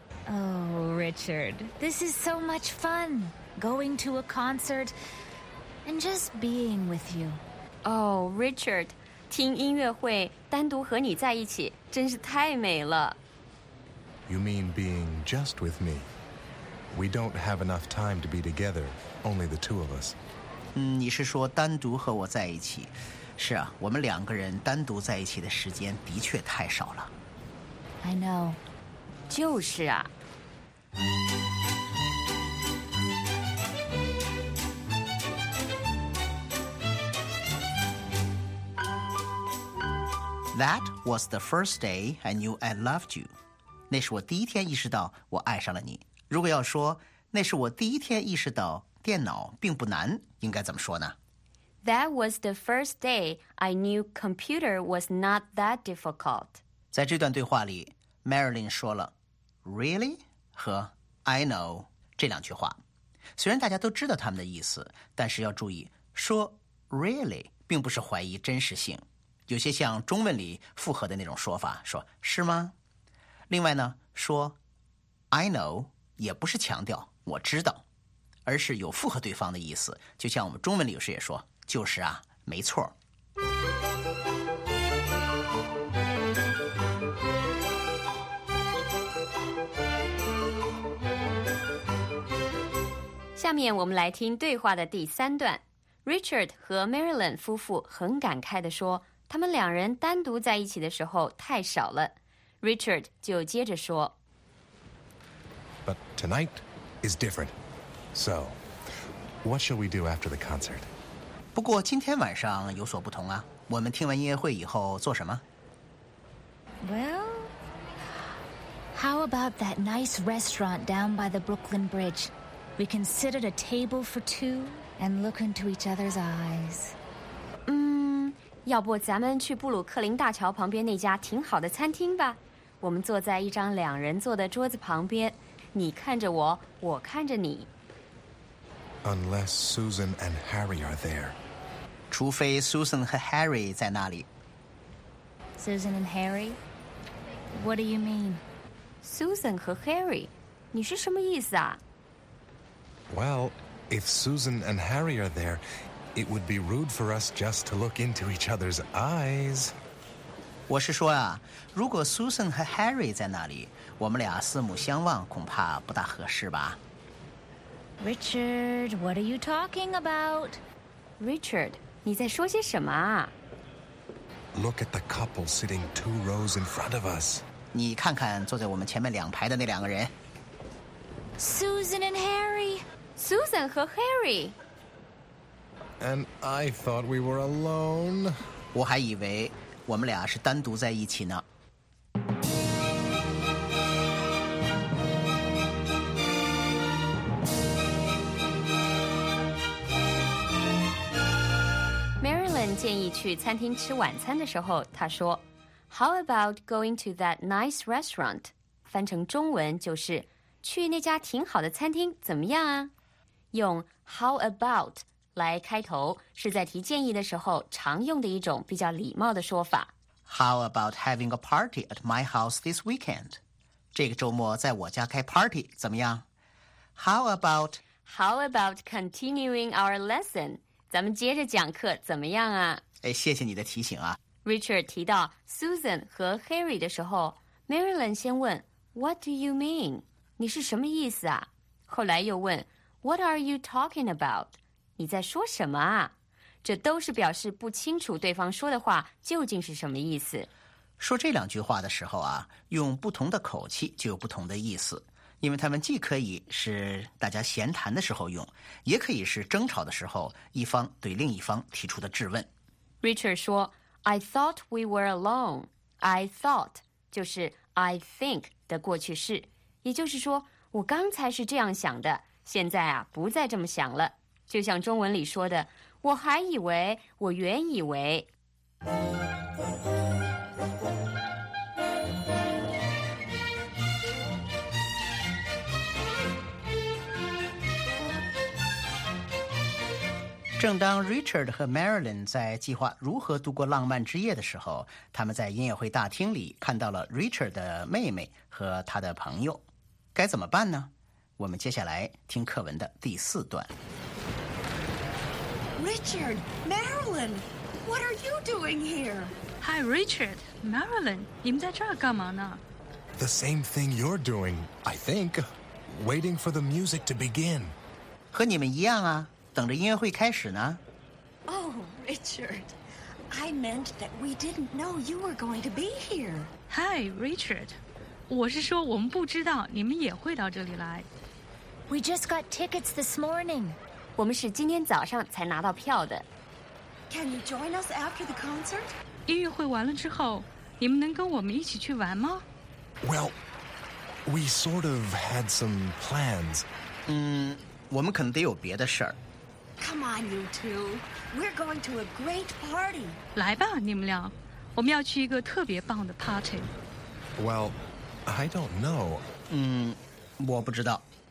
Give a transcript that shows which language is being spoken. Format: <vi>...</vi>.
<en>Oh, Richard, this is so much fun. Going to a concert and just being with you.</en> <zh>Oh, Richard, 听音乐会，单独和你在一起，真是太美了。</zh> <en>You mean being just with me? We don't have enough time to be together, only the two of us.</en> <zh>嗯，你是说单独和我在一起？是啊，我们两个人单独在一起的时间的确太少了。</zh> <en>I know.</en> <zh>就是啊。</zh> <en>That was the first day I knew I loved you.</en> <zh>那是我第一天意识到我爱上了你。如果要说那是我第一天意识到电脑并不难，应该怎么说呢</zh> <en>？That was the first day I knew computer was not that difficult.</en> <zh>在这段对话里 ，Marilyn 说了 "really" 和 "I know" 这两句话。虽然大家都知道他们的意思，但是要注意，说 "really" 并不是怀疑真实性，有些像中文里附和的那种说法，说是吗？另外呢，说 "I know"。也不是强调我知道，而是有附和对方的意思，就像我们中文里有时也说，就是啊，没错。下面我们来听对话的第三段。Richard 和 Marilyn 夫妇很感慨地说，他们两人单独在一起的时候太少了。 Richard 就接着说，</zh> <en>But tonight is different. So, what shall we do after the concert?</en> <zh>不过今天晚上有所不同啊，我们听完音乐会以后做什么？</zh> <en>Well, how about that nice restaurant down by the Brooklyn Bridge? We can sit at a table for two and look into each other's eyes.</en> <zh>要不咱们去布鲁克林大桥旁边那家挺好的餐厅吧。我们坐在一张两人坐的桌子旁边，你看着我，我看着你。</zh> <en>Unless Susan and Harry are there.</en> <zh>除非 Susan 和 Harry 在那里。</zh> <en>Susan and Harry? What do you mean?</en> <zh>Susan 和 Harry? 你是什么意思啊？</zh> <en>Well, if Susan and Harry are there, it would be rude for us just to look into each other's eyes.</en> <zh>我是说啊，如果 Susan 和 Harry 在那里，我们俩四目相望恐怕不大合适吧。</zh> <en>Richard, what are you talking about?</en> <zh>Richard, 你在说些什么啊？</zh> <en>Look at the couple sitting two rows in front of us.</en> <zh>你看看坐在我们前面两排的那两个人。</zh> <en>Susan and Harry.</en> <zh>Susan 和 Harry.</zh> <en>And I thought we were alone.</en> <zh>我还以为我们俩是单独在一起呢。 Marilyn 建议去餐厅吃晚餐的时候，她说 How about going to that nice restaurant? 翻成中文就是去那家挺好的餐厅怎么样啊？用 how about 来开头，是在提建议的时候常用的一种比较礼貌的说法。</zh> <en>How about having a party at my house this weekend?</en> <zh>这个周末在我家开 party 怎么样？</zh> <en>How about continuing our lesson?</en> <zh>咱们接着讲课怎么样啊？哎，谢谢你的提醒啊。 Richard 提到 Susan 和 Harry 的时候， Marilyn 先问 What do you mean? 你是什么意思啊？后来又问 What are you talking about? 你在说什么啊？这都是表示不清楚对方说的话究竟是什么意思。说这两句话的时候啊，用不同的口气就有不同的意思，因为他们既可以是大家闲谈的时候用，也可以是争吵的时候一方对另一方提出的质问。 Richard 说 I thought we were alone. I thought 就是 I think 的过去式，也就是说我刚才是这样想的，现在啊不再这么想了。就像中文里说的，我还以为，我原以为。正当 Richard 和 Marilyn 在计划如何度过浪漫之夜的时候，他们在音乐会大厅里看到了 Richard 的妹妹和他的朋友。该怎么办呢？我们接下来听课文的第四段。</zh> <en>Richard, Marilyn, what are you doing here?</en> <zh>Hi, Richard, Marilyn, 你们在这儿干嘛呢？</zh> <en>The same thing you're doing, I think. Waiting for the music to begin.</en> <zh>和你们一样啊，等着音乐会开始呢。</zh> <en>Oh, Richard, I meant that we didn't know you were going to be here. Hi, Richard.</en> <zh>我是说我们不知道你们也会到这里来。</zh> <en>We just got tickets this morning.</en> <zh>我们是今天早上才拿到票的。</zh> <en>Can you join us after the concert?</en> <zh>音乐会完了之后，你们能跟我们一起去玩吗？</zh> <en>Well, we sort of had some plans.</en> <zh>我们可能得有别的事儿。</zh> <en>Come on, you two. We're going to a great party.</en> <zh>来吧，你们俩，我们要去一个特别棒的 party.</zh> <en>Well,I don't know.</en> <zh>我不知道。</zh>